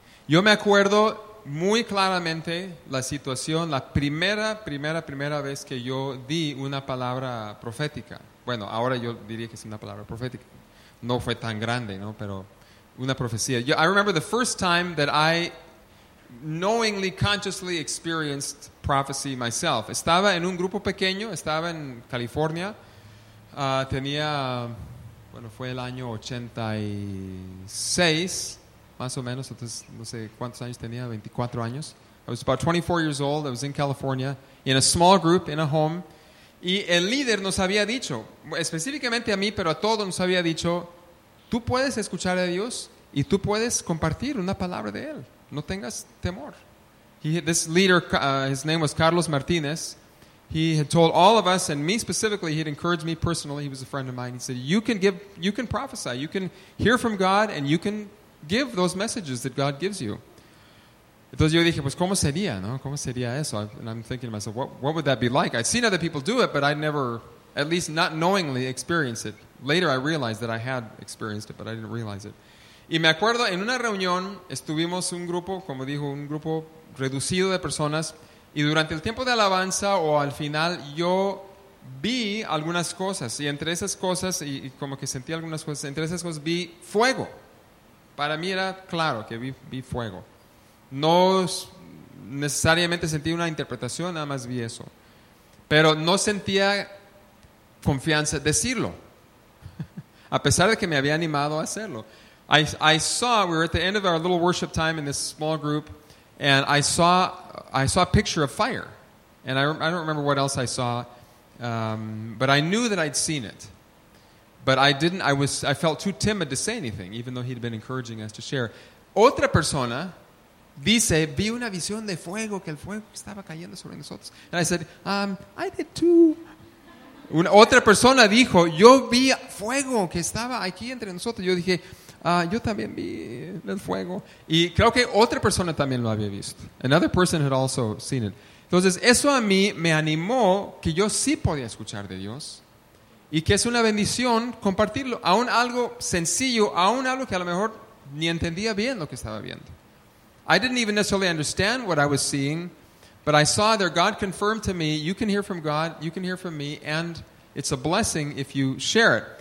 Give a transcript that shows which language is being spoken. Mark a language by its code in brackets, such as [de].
[es] Yo me acuerdo muy claramente la situación, la primera vez que yo di una palabra profética. Bueno, ahora yo diría que es una palabra profética. No fue tan grande, ¿no? Pero una profecía. [en] I remember the first time that I knowingly, consciously experienced prophecy myself. [es] Estaba en un grupo pequeño, estaba en California. Tenía... Bueno, fue el año 86, más o menos, entonces no sé cuántos años tenía, 24 años. [en] I was about 24 years old, I was in California, in a small group, in a home. [es] Y el líder nos había dicho, específicamente a mí, pero a todos nos había dicho, tú puedes escuchar a Dios y tú puedes compartir una palabra de Él, no tengas temor. [en] This leader, his name was Carlos Martínez. He had told all of us, and me specifically, he had encouraged me personally, he was a friend of mine, he said, you can prophesy, you can hear from God, and you can give those messages that God gives you. [es] Entonces yo dije, pues, ¿cómo sería, no? ¿Cómo sería eso? [en] And I'm thinking to myself, what would that be like? I'd seen other people do it, but I'd never, at least not knowingly, experienced it. Later, I realized that I had experienced it, but I didn't realize it. [es] Y me acuerdo, en una reunión, estuvimos un grupo, como dijo, un grupo reducido de personas. Y durante el tiempo de alabanza o al final, yo vi algunas cosas. Y entre esas cosas, y como que sentí algunas cosas, entre esas cosas vi fuego. Para mí era claro que vi fuego. No necesariamente sentí una interpretación, nada más vi eso. Pero no sentía confianza decirlo. A pesar de que me había animado a hacerlo. [en] I saw, we were at the end of our little worship time in this small group, and I saw a picture of fire, and I don't remember what else I saw, but I knew that I'd seen it. But I didn't. I felt too timid to say anything, even though he'd been encouraging us to share. [es] Otra persona dice, vi una visión de fuego, que el fuego estaba cayendo sobre nosotros. [en] And I said, I did too. [es] Otra persona dijo, yo vi fuego que estaba aquí entre nosotros. Yo dije, yo también vi el fuego. Y creo que otra persona también lo había visto. [en] Another person had also seen it. [es] Entonces, eso a mí me animó que yo sí podía escuchar de Dios y que es una bendición compartirlo, aún algo sencillo, aún algo que a lo mejor ni entendía bien lo que estaba viendo. [en] I didn't even necessarily understand what I was seeing, but I saw there God confirmed to me, you can hear from God, you can hear from me, and it's a blessing if you share it.